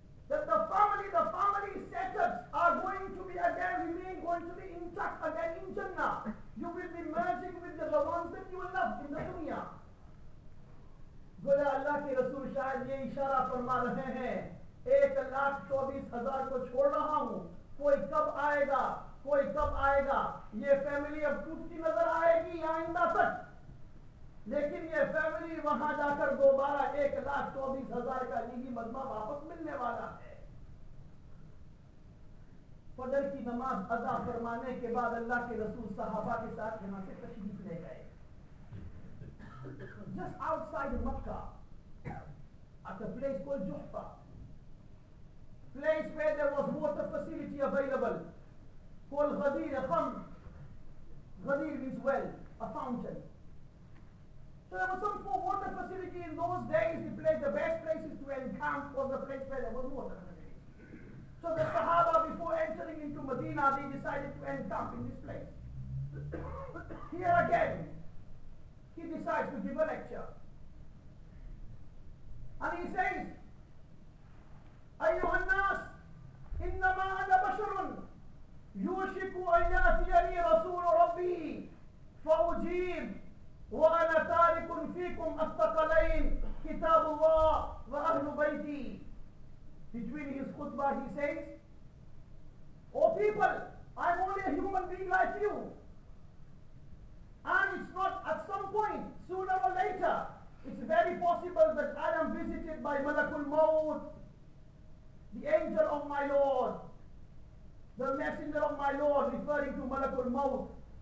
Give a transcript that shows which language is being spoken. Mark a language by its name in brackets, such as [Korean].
[English] that the family setups are going to be again remain going to be intact again in جنہ you will be merging with the ones that you love in the دنیا [Urdu] بولا اللہ کے رسول شاید یہ اشارہ فرما رہے ہیں ایک لاکھ چوبیس ہزار کو چھوڑ رہا ہوں کوئی کب آئے گا کوئی کب آئے گا یہ فیملی اب ٹوٹتی نظر آئے گی آئندہ تک لیکن یہ فیملی وہاں جا کر دوبارہ 1,24,000 کا نیجی مجمع واپس ملنے والا ہے. فجر کی نماز ادا فرمانے کے بعد اللہ کے رسول صحابہ کے ساتھ یہاں سے تشریف لے گئے. [English] Just outside Makkah, at a place called Juhfa, place where there was water facility available, called Ghadir, a pump. Ghadir means well, a fountain. So there was some poor water facility in those days. The place, the best places to encamp was the place where there was water. So the Sahaba, before entering into Medina, they decided to encamp in this place. Here again, he decides to give a lecture. And he says, [Arabic] أَيُّهَا النَّاسِ إِنَّمَا أَنَا بَشَرٌ يُوشِكُ أَنْ يَأْتِيَنِي رَسُولُ رَبِّي فَأُجِيبُ وَأَنَا تَارِكٌ فِيكُمْ الثَّقَلَيْنِ كِتَابُ اللَّهِ وَأَهْلُ بَيْتِي. [English] Between his khutbah he says, Oh people, I'm only a human being like you. And it's not at some point, sooner or later, it's very possible that I am visited by Malakul Maud, the angel of my Lord, the messenger of my Lord, referring to Malakul Maud.